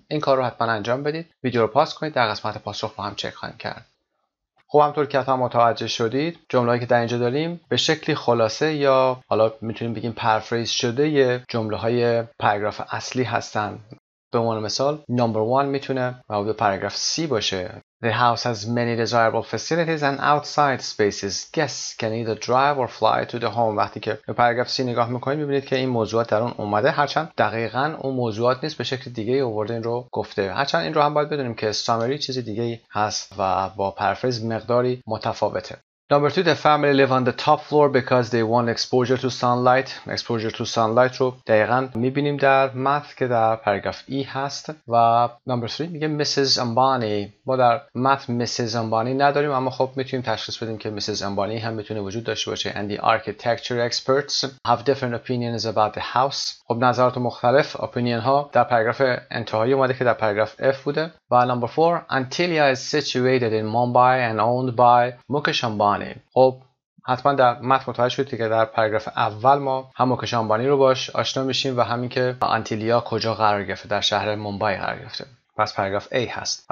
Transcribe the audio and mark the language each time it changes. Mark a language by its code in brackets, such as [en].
[fa] این کار رو حتما انجام بدید، ویدیو رو پاس کنید، در قسمت پاسخ با هم چک خواهیم کرد. خب همطور که هم متوجه شدید، جمله هایی که در اینجا داریم به شکلی خلاصه یا حالا میتونیم بگیم پرفریز شده جمله های پاراگراف اصلی هستن. به عنوان مثال نمبر 1 میتونه مربوط به پاراگراف C باشه. [en] The house has many desirable facilities and outside spaces. Guests can either drive or fly to the home. [fa] وقتی که به پاراگراف سی نگاه میکنید میبینید که این موضوعات در اون اومده، هرچند دقیقا اون موضوعات نیست، به شکل دیگه ای آورده این رو گفته. هرچند این رو هم باید بدونیم که سامری چیزی دیگه هست و با پرفریز مقداری متفاوته. [en] Number 2, the family live on the top floor because they want exposure to sunlight. Exposure to sunlight [fa] رو دقیقاً می‌بینیم در متن که در پاراگراف E هست. و number 3 میگه Mrs. Ambani. ما در متن Mrs. Ambani نداریم، اما خب میتونیم تشخیص بدیم که Mrs. Ambani هم میتونه وجود داشته باشه. [en] And the architecture experts have different opinions about the house. [fa] خب نظرات مختلف، اپینین ها در پاراگراف انتهایی اومده که در پاراگراف F بوده. [en] و number 4, Antilia is situated in Mumbai and owned by Mukesh Ambani. [fa] خب حتما در متن متوجه شدید که در پاراگراف اول ما هم مکش آمبانی رو باش آشنا میشیم و همین که آنتیلیا کجا قرار گرفته، در شهر ممبای قرار گرفته، پس پاراگراف A هست.